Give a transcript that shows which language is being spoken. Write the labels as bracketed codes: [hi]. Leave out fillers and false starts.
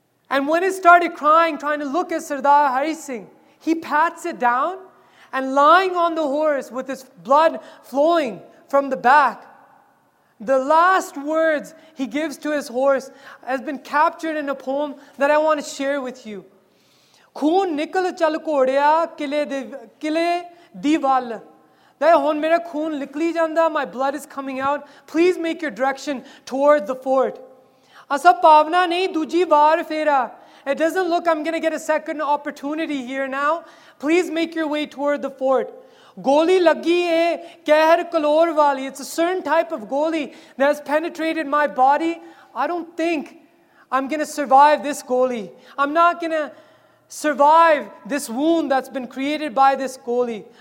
[en] And when it started crying, trying to look at Sardar Hari Singh, he pats it down, and lying on the horse with his blood flowing from the back, the last words he gives to his horse has been captured in a poem that I want to share with you. [pa] ਖੂਨ ਨਿਕਲ ਚੱਲ ਘੋੜਿਆ ਕਿਲੇ ਦੀ ਵੱਲ ਤੇ ਹੁਣ ਮੇਰਾ ਖੂਨ ਨਿਕਲੀ ਜਾਂਦਾ [en] my blood is coming out please make your direction toward the fort [pa] ਅਸਾਂ ਪਾਵਨਾ ਨਹੀਂ ਦੂਜੀ ਵਾਰ ਫੇਰਾ [en] It doesn't look I'm going to get a second opportunity here now. Please make your way toward the fort. [pa] Goli lagi hai keher kalor wali. [en] It's a certain type of goli that has penetrated my body. I don't think I'm going to survive this goli. I'm not going to survive this wound that's been created by this goli.